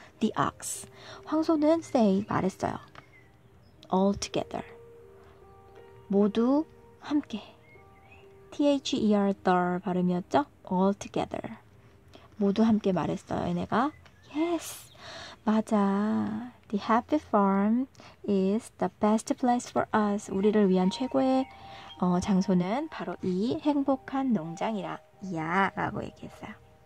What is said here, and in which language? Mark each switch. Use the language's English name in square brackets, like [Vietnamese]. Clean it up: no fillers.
[English] The ox. [Korean] 황소는 [English] say, [Korean] 말했어요. [English] All together. [Korean] 모두 함께. T-H-E-R, the 발음이었죠? [English] All together. [Korean] 모두 함께 말했어요, 얘네가. Yes, 맞아. [English] The happy farm is the best place for us. [Korean] 우리를 위한 최고의 장소는 바로 이 행복한 농장이라고 얘기했어요.